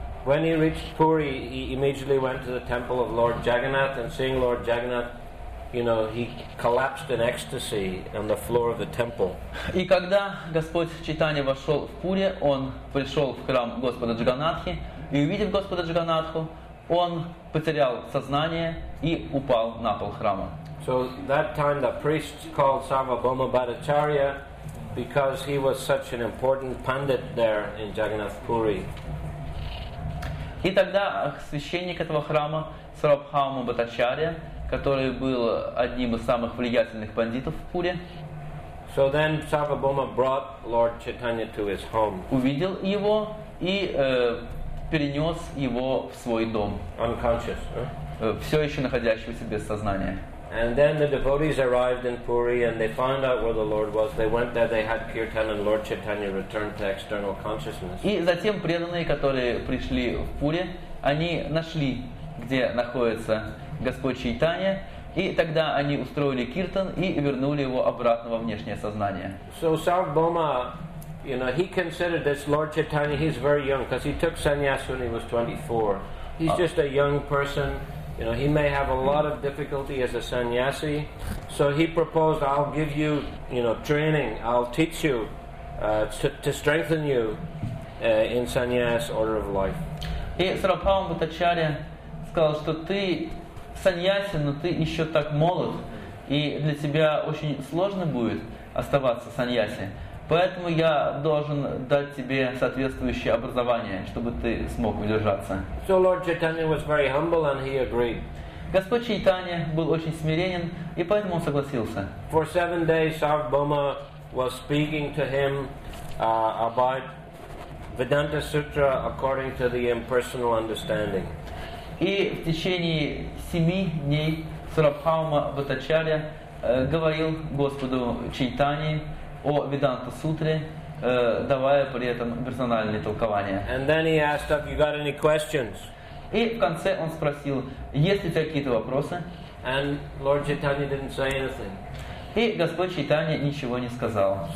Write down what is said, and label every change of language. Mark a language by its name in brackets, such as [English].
[English] When he reached Puri, he immediately went to the temple of Lord Jagannath, and seeing Lord Jagannath, you know, he collapsed in ecstasy on the floor of the temple. [Russian] И когда Господь Чайтанья вошел в Пури, он пришел в храм Господа Джаганнатхи, и увидев Господа Джаганнатху, он потерял сознание и упал на пол храма. [English] So that time the priests called Sarvabhauma Bhattacharya because he was such an important pandit there in Jagannath Puri. [Russian] И тогда священник этого храма Сарвабхаума Бхаттачарья, который был одним из самых влиятельных пандитов в Пури, [English] so then Sarvabhauma brought Lord Chaitanya to his home. [Russian] Увидел его и перенес его в свой дом, [English] unconscious, [Russian] все еще находящегося без сознания. [English] And then the devotees arrived in Puri and they found out where the Lord was. They went there, they had kirtan, and Lord Chaitanya returned to external consciousness. [Russian] И затем преданные, которые пришли в Пури, они нашли, где находится Господь Чайтанья, и тогда они устроили киртан и вернули его обратно во внешнее сознание. [English] So Sarvabhauma, you know, he considered this Lord Chaitanya, he's very young, because he took sannyas when he was 24. He's just a young person. You know, he may have a lot of difficulty as a sannyasi. So he proposed, I'll give you, you know, training. I'll teach you to strengthen you in sannyas order of life. [Russian] И Сарвабхаума Бхаттачарья сказал, что ты саньяси, но ты еще так молод, и для тебя очень сложно будет оставаться саньяси. Поэтому я должен дать тебе соответствующее образование, чтобы ты смог удержаться. [English] So Lord Chaitanya was very humble and he agreed. [Russian] Господь Чайтанья был очень смиренен, и поэтому он согласился. [English] For 7 days Sarvabhauma was speaking to him about Vedanta Sutra according to the impersonal understanding. [Russian] И в течение 7 дней Сарвабхаума Бхаттачарья говорил Господу Чайтанье о Веданта Сутре, давая при этом персональные толкования. [English] And then he asked, have you got any questions? [Russian] И в конце он спросил, есть ли у тебя какие-то вопросы? [English] And Lord Chaitanya didn't say anything. [Russian] И Господь Чайтанья ничего не сказал.